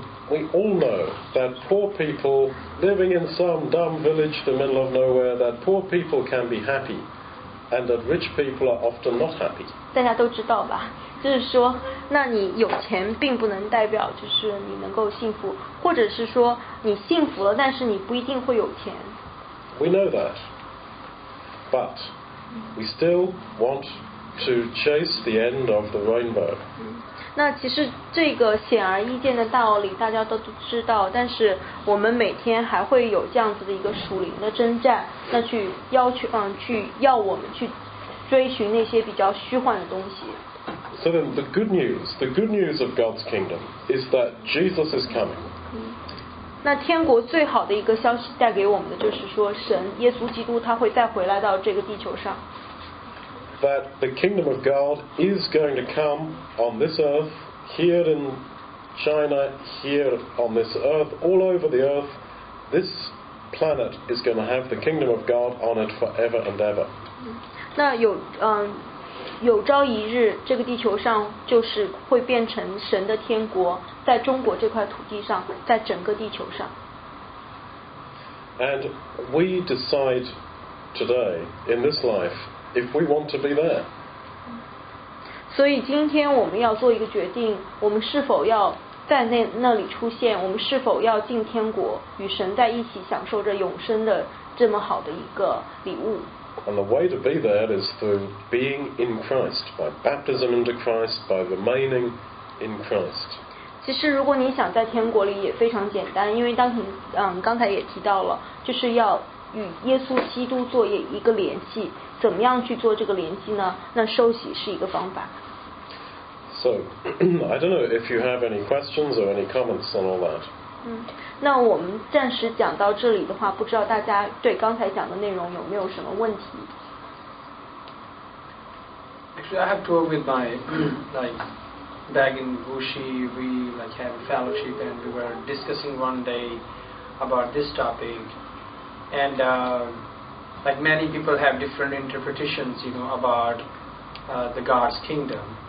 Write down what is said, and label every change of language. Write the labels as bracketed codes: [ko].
[en] We all know that poor people living in some dumb village in the middle of nowhere, that poor people can be happy, and that rich people are often not happy. [zh] 大家都知道吧？就是说，那你有钱并不能代表就是你能够幸福，或者是说你幸福了，但是你不一定会有钱。 [en] We know that, but we still want to chase the end of the rainbow. [zh] 那其实这个显而易见的道理大家都知道，但是我们每天还会有这样子的一个属灵的征战，那去要求去要我们去追寻那些比较虚幻的东西。 [en] So then the good news of God's kingdom is that Jesus is coming. [zh] 那天国最好的一个消息带给我们的就是说，神耶稣基督他会再回来到这个地球上。 [en] That the kingdom of God is going to come on this earth, here in China, here on this earth, all over the earth. This planet is going to have the kingdom of God on it forever and ever. [zh] 那有朝一日，这个地球上就是会变成神的天国，在中国这块土地上，在整个地球上。 [en] And we decide today in this life. If we want to be there. [zh] 所以今天我们要做一个决定，我们是否要在那里出现，我们是否要进天国，与神在一起享受着永生的这么好的一个礼物。 [en] And the way to be there is through being in Christ, by baptism into Christ, by remaining in Christ. [zh] 其实如果你想在天国里也非常简单，因为当你刚才也提到了，就是要与耶稣基督做一个联系，怎么样去做这个联系呢？那受洗是一个方法。 [en] So, I don't know if you have any questions or any comments on all that. [zh] 那我们暂时讲到这里的话，不知道大家对刚才讲的内容有没有什么问题？ [en] Actually, I have tour with my, like, back in Wuxi, we, like, have a fellowship, and we were discussing one day about this topic. And, like, many people have different interpretations, you know, about the God's kingdom.